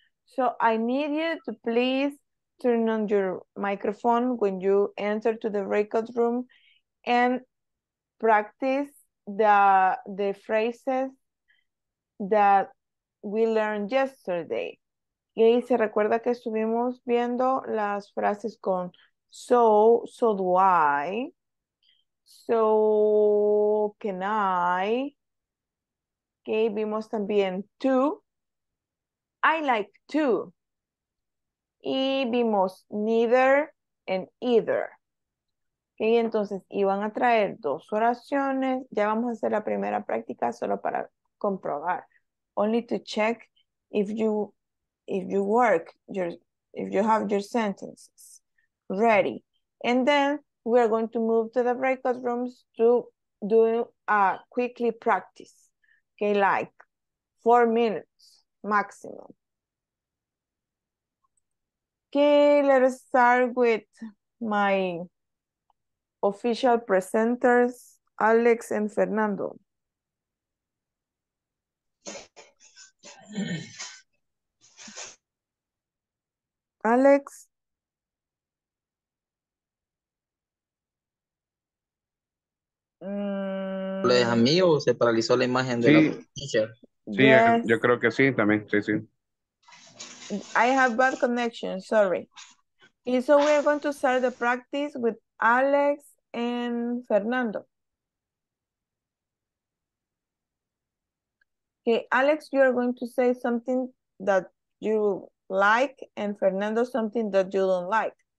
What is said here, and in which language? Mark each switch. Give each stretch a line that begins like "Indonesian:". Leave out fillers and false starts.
English: So I need you to please turn on your microphone when you enter to the breakout room and practice the phrases that we learned yesterday.
Spanish: Y ahí se recuerda que estuvimos viendo las frases con so,
English: so do I, so can I.
Spanish: Okay, vimos también
English: to, I like to.
Spanish: Y vimos
English: neither and either.
Spanish: Okay, entonces iban a traer dos oraciones. Ya vamos a hacer la primera práctica solo para comprobar.
English: Only to check if you have your sentences ready. And then we are going to move to the breakout rooms to do a quickly practice. Okay, like 4 minutes maximum. Okay, let us start with my official presenters, Alex and Fernando. Alex?
Spanish: ¿Lo deja a mí o se paralizó la imagen de la
English: teacher?
Spanish: Sí, yo creo que sí, también, sí, sí.
English: I have bad connection, sorry. And so we are going to start the practice with Alex and Fernando. Okay, Alex, you are going to say something that you like and Fernando something that you don't like.